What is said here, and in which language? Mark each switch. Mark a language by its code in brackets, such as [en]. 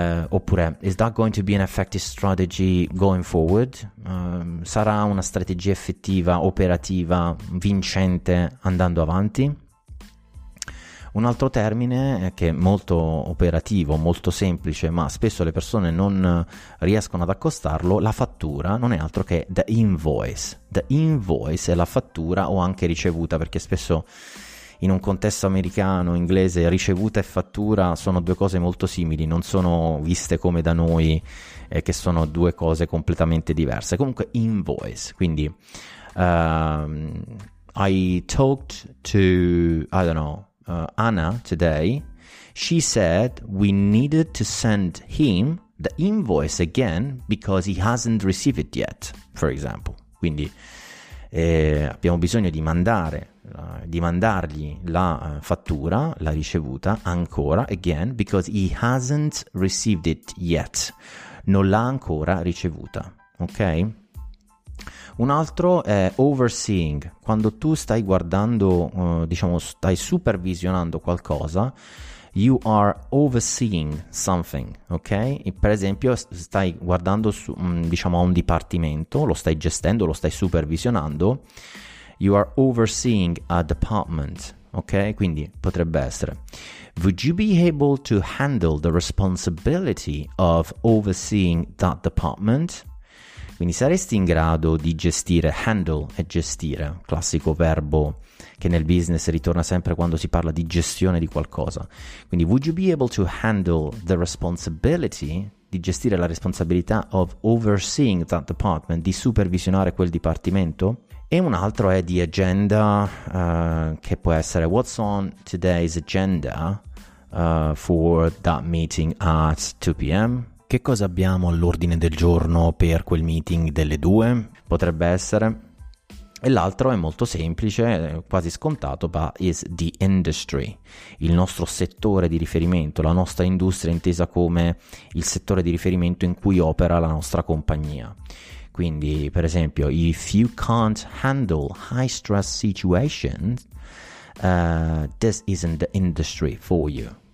[en] Oppure is that going to be an effective strategy going forward? [it] Sarà una strategia effettiva, operativa, vincente andando avanti? Un altro termine che è molto operativo, molto semplice, ma spesso le persone non riescono ad accostarlo, la fattura non è altro che the invoice. The invoice è la fattura o anche ricevuta, perché spesso in un contesto americano, inglese, ricevuta e fattura sono due cose molto simili, non sono viste come da noi, che sono due cose completamente diverse. Comunque invoice, quindi [en] I talked to, Anna today, she said we needed to send him the invoice again because he hasn't received it yet, for example. [it] Quindi abbiamo bisogno di mandargli la fattura, la ricevuta, ancora, again, [en] because he hasn't received it yet. [it] Non l'ha ancora ricevuta, ok? Un altro è overseeing. Quando tu stai guardando, diciamo, stai supervisionando qualcosa, [en] you are overseeing something, [it] ok? E per esempio stai guardando, diciamo, a un dipartimento, lo stai gestendo, lo stai supervisionando. [en] You are overseeing a department, ok? [it] Quindi potrebbe essere: [en] would you be able to handle the responsibility of overseeing that department? [it] Quindi saresti in grado di gestire, handle e gestire, classico verbo che nel business ritorna sempre quando si parla di gestione di qualcosa. Quindi [en] would you be able to handle the responsibility, [it] di gestire la responsabilità [en] of overseeing that department, [it] di supervisionare quel dipartimento? E un altro è di agenda, che può essere [en] what's on today's agenda for that meeting at 2 p.m. [it] Che cosa abbiamo all'ordine del giorno per quel meeting delle 2? Potrebbe essere E l'altro è molto semplice, quasi scontato, ma [en] is the industry, [it] il nostro settore di riferimento, la nostra industria intesa come il settore di riferimento in cui opera la nostra compagnia. Quindi, per esempio, [en] if you can't handle high stress situations, this isn't the industry for you.